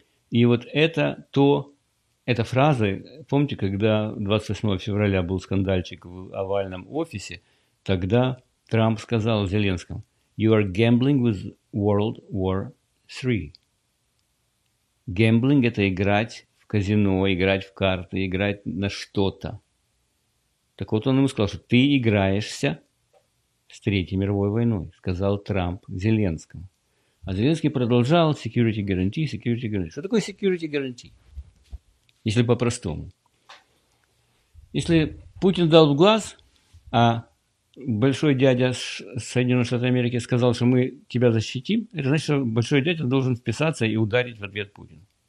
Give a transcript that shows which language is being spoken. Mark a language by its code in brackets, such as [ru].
[ru] И вот это то, эта фраза, помните, когда 28 февраля был скандальчик в овальном офисе, тогда Трамп сказал Зеленскому: [en] «You are gambling with World War III». [ru] Гэмблинг – это играть в казино, играть в карты, играть на что-то. Так вот он ему сказал, что ты играешься с Третьей мировой войной, сказал Трамп Зеленскому. А Зеленский продолжал: [en] security guarantee, security guarantee. [ru] Что такое security guarantee? Если по-простому. Если Путин дал в глаз, а большой дядя Соединенных Штатов Америки сказал, что мы тебя защитим, это значит, что большой дядя должен вписаться и ударить в ответ Путину.